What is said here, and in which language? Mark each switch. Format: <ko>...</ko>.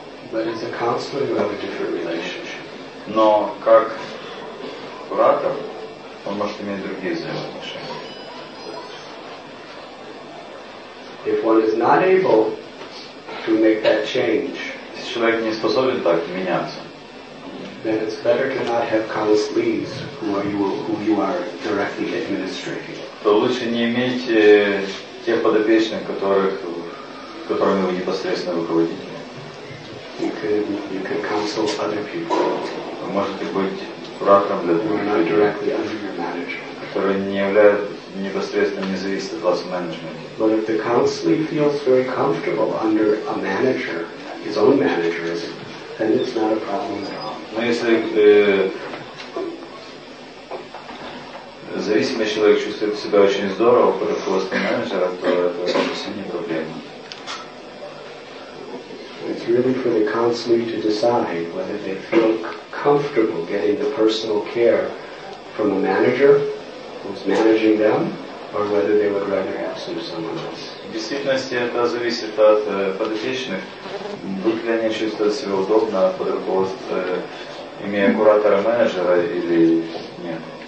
<en>But as a counselor, you have a different relationship.</en> <ru>Но как куратор, он может иметь другие взаимоотношения.</ru> <en>If one is not able to make that change,</en> <ru>если человек не способен так меняться,</ru> <en>then it's better to not have counselees who you are directly administrating.</en> <ru>То лучше не иметь тех подопечных, которыми вы непосредственно руководите.</ru> <en>You can counsel other people.</en> <ru>Вы можете быть куратором для других, которые не являются непосредственно независимы от вас в менеджменте.</ru> <en>But if the counselee feels very comfortable under a manager, his own manager, then it's not a problem at all.</en> <ru>Но если зависимый человек чувствует себя очень здорово под руководством менеджера, то это вообще не проблема.</ru> <en>It's really for the counselee to decide whether they feel comfortable getting the personal care from a manager who's managing them, or whether they would rather have some someone else.</en> <ru>В действительности это зависит от подопечных. Будут ли они чувствовать себя удобно под руководством, имея куратора-менеджера или нет?</ru>